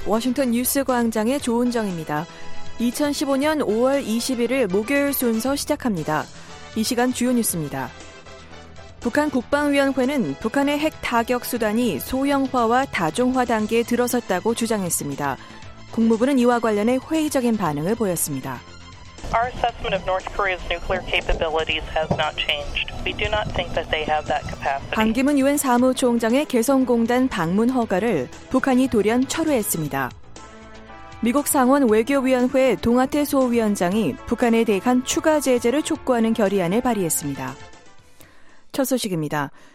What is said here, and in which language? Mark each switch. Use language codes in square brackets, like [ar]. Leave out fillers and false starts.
[ko] 워싱턴 뉴스 광장의 조은정입니다. 2015년 5월 21일 목요일 순서 시작합니다. 이 시간 주요 뉴스입니다. 북한 국방위원회는 북한의 핵 타격 수단이 소형화와 다중화 단계에 들어섰다고 주장했습니다. 국무부는 이와 관련해 회의적인 반응을 보였습니다. [en] Our assessment of North Korea's nuclear capabilities has not changed. We do not think that they have that capacity. [ko] 방기문 유엔 사무총장의 개성공단 방문 허가를 북한이 돌연 철회했습니다. 미국 상원 외교위원회 동아태 소위원장이 북한에 대한 추가 제재를 촉구하는 결의안을 발의했습니다. 첫 소식입니다.